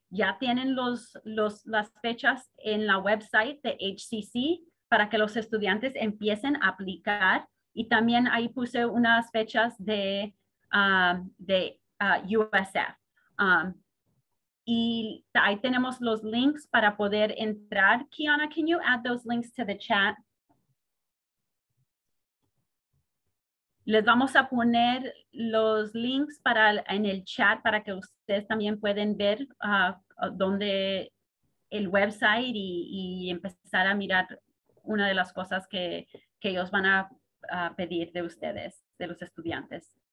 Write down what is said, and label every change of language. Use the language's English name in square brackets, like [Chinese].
[Spanish] Ya tienen las fechas en la website de HCC para que los estudiantes empiecen a aplicar. Y también ahí puse unas fechas de USF. Y ahí tenemos los links para poder entrar. [English] Kiana, can you add those links to the chat? [Spanish] Les vamos a poner los links en el chat para que ustedes también pueden ver dónde el website y empezar a mirar una de las cosas que ellos van a pedir de ustedes, de los estudiantes.